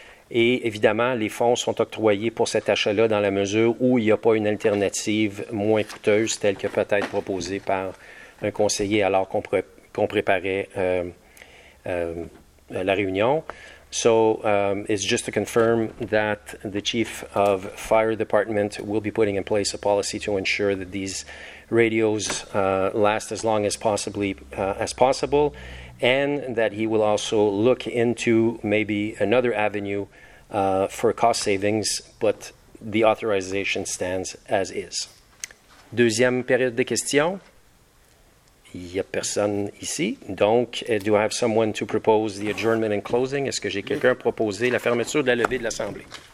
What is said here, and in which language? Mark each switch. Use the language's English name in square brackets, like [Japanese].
[French] Et évidemment, les fonds sont octroyés pour cet achat-là dans la mesure où il n'y a pas une alternative moins coûteuse telle que peut-être proposée par un conseiller alors qu'on préparait la réunion. [English] So, it's just to confirm that the chief of fire department will be putting in place a policy to ensure that these radios last as long as possible, and that he will also look into maybe another avenue for cost savings, but the authorization stands as is. [French] Deuxième période de questions. Il n'y a personne ici. Donc, [English] do I have someone to propose the adjournment and closing? [French] Est-ce que j'ai quelqu'un proposé la fermeture de la levée de l'Assemblée?